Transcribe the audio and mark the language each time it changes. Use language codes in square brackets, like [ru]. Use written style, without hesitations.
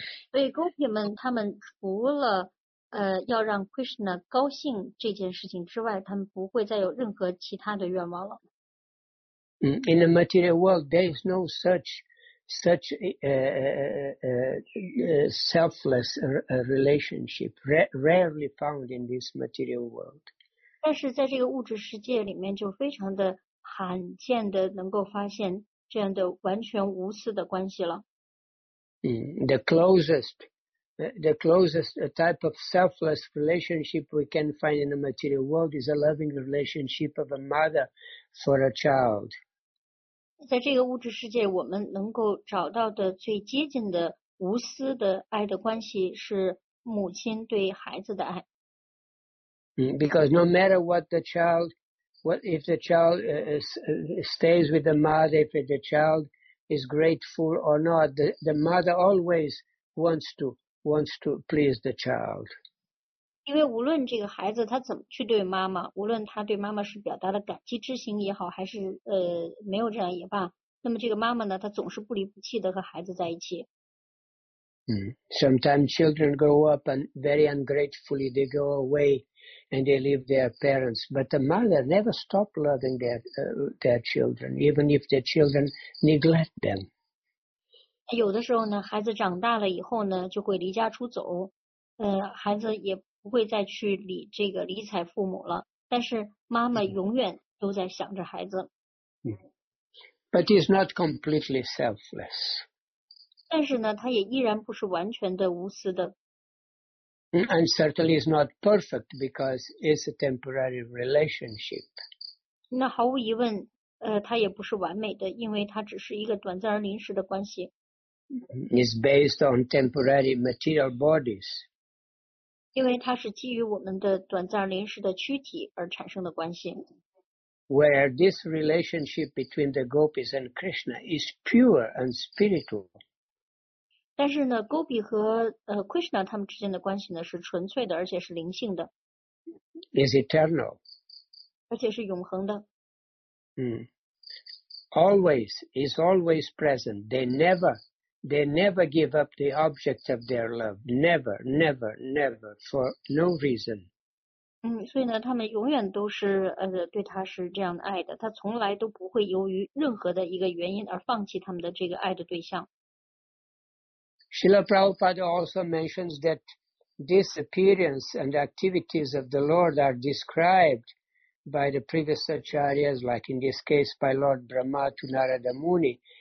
[zh] 所以 Gopi 们他们除了要让 Krishna 高兴这件事情之外，他们不会再有任何其他的愿望了。 [en] In the material world, there is no such selfless relationship, rarely found in this material world. [zh] 但是在这个物质世界里面，就非常的罕见的能够发现这样的完全无私的关系了。 [en] The closest type of selfless relationship we can find in the material world is a loving relationship of a mother for a child. [zh] 在这个物质世界，我们能够找到的最接近的无私的爱的关系是母亲对孩子的爱。 [en] Because no matter what the child what if the child stays with the mother, if the child is grateful or not, the mother always wants to please the child. [zh] 因为无论这个孩子他怎么去对妈妈，无论他对妈妈是表达了感激之心也好，还是没有这样也罢，那么这个妈妈呢，她总是不离不弃的和孩子在一起。 [en] Sometimes children grow up and very ungratefully they go away and they leave their parents. But the mother never stops loving their children, even if their children neglect them. [zh] 有的时候呢，孩子长大了以后呢，就会离家出走，孩子也不会再去理这个理睬父母了，但是妈妈永远都在想着孩子。 [en] But he's not completely selfless. [zh] 但是呢，他也依然不是完全的无私的。 [en] And certainly is not perfect because it's a temporary relationship. [zh] 那毫无疑问，他也不是完美的，因为他只是一个短暂而临时的关系。 [en] It's based on temporary material bodies. [zh] 因为它是基于我们的短暂临时的躯体而产生的关系。 [en] Where this relationship between the gopis and Krishna is pure and spiritual. [zh] 但是呢 ,Gopi 和Krishna 他们之间的关系呢是纯粹的而且是灵性的。 [en] Is eternal. [zh] 而且是永恒的。 [en] Always, is always present. They never give up the object of their love. Never, never, never, for no reason. [zh] 所以呢，他们永远都是对他是这样的爱的。他从来都不会由于任何的一个原因而放弃他们的这个爱的对象。 [en] Srila Prabhupada also mentions that this appearance and activities of the Lord are described by the previous acharyas, like in this case by Lord Brahma to Narada Muni.